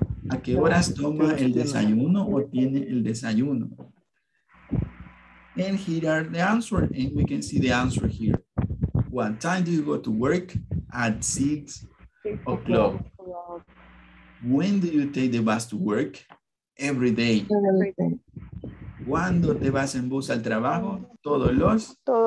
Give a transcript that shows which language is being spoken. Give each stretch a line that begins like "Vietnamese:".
Spanish: ¿A qué horas toma el desayuno o tiene el desayuno?
English: And here are the answer, and we can see the answer here. What time do you go to work? At 6 o'clock. When do you take the bus to work? Every day.
Spanish: ¿Cuándo te vas en bus al trabajo? Todos los